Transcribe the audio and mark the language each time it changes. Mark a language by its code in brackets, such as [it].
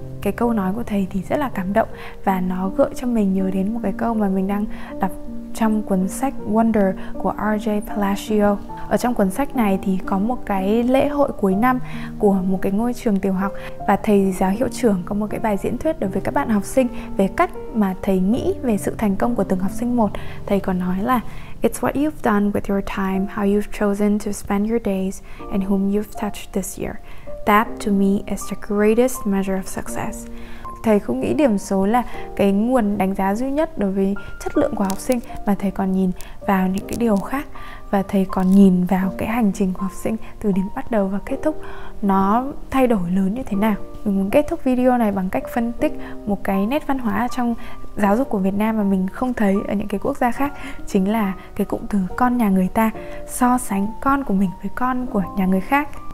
[vi] Cái câu nói của thầy thì rất là cảm động, và nó gợi cho mình nhớ đến một cái câu mà mình đang đọc trong cuốn sách Wonder của RJ Palacio. Ở trong cuốn sách này thì có một cái lễ hội cuối năm của một cái ngôi trường tiểu học, và thầy giáo hiệu trưởng có một cái bài diễn thuyết đối với các bạn học sinh về cách mà thầy nghĩ về sự thành công của từng học sinh một. Thầy còn nói là [en] "It's what you've done with your time, how you've chosen to spend your days, and whom you've touched this year. That to me is the greatest measure of success." [vi] Thầy không nghĩ điểm số là cái nguồn đánh giá duy nhất đối với chất lượng của học sinh, mà thầy còn nhìn vào những cái điều khác, và thầy còn nhìn vào cái hành trình của học sinh từ điểm bắt đầu và kết thúc nó thay đổi lớn như thế nào. Mình muốn kết thúc video này bằng cách phân tích một cái nét văn hóa trong giáo dục của Việt Nam mà mình không thấy ở những cái quốc gia khác, chính là cái cụm từ con nhà người ta, so sánh con của mình với con của nhà người khác.